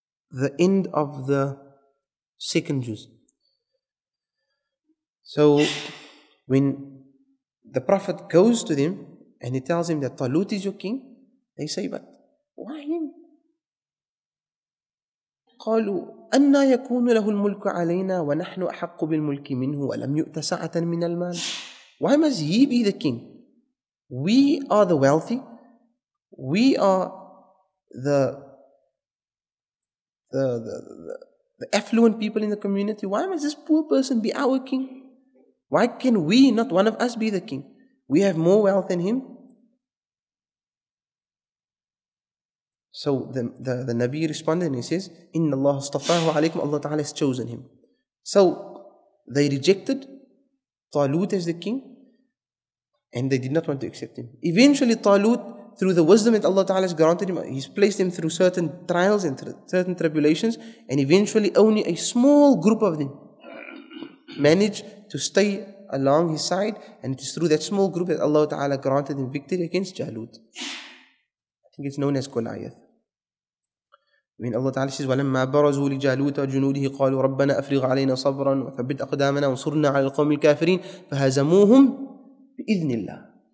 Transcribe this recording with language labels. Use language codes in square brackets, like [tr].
[en] The end of the second juz. So when the Prophet goes to them and he tells him that Talut is your king, they say, but why him? [ar] قالوا أن يكون له الملك علينا ونحن أحق بالملك منه ولم يؤت سعة من المال. [en] Why must he be the king? We are the wealthy. We are the affluent people in the community. Why must this poor person be our king? Why can we, not one of us, be the king? We have more wealth than him. So the Nabi responded and he says, [ar] إِنَّ اللَّهَ اصْطَفَاهُ عَلَيْكُمْ. [en] Allah Ta'ala has chosen him. So they rejected Talut as the king and they did not want to accept him. Eventually Talut, through the wisdom that Allah Ta'ala has granted him, he's placed him through certain trials and certain tribulations, and eventually only a small group of them managed to stay along his side, and it is through that small group that Allah Ta'ala granted him victory against Jalut. It's known as Goliath. When Allah Ta'ala says, [ar] وَلَمَّا بَرَزُوا لِجَالُوتَ وَجُنُودِهِ قَالُوا رَبَّنَا أَفْرِغْ عَلَيْنَا صَبْرًا وَثَبِّتْ أَقْدَامَنَا وَانْصُرْنَا عَلَى الْقَوْمِ الْكَافِرِينَ فَهَزَمُوهُمْ بِإِذْنِ اللَّهِ.